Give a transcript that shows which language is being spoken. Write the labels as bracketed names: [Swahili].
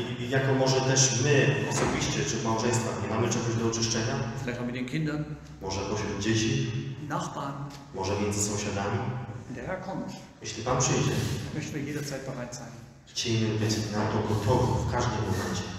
[Polish] Jako może też my osobiście, czy w małżeństwach, nie mamy czegoś do oczyszczenia? [German] Vielleicht auch mit den Kindern? [Polish] Może pośród dzieci? [German] Nachbarn? [Polish] Może między sąsiadami? [German] Wenn der Herr kommt, [Polish] jeśli Pan przyjdzie, [German] möchten wir jederzeit bereit sein. [Polish] Chcielibyśmy być na to gotowi w każdym momencie.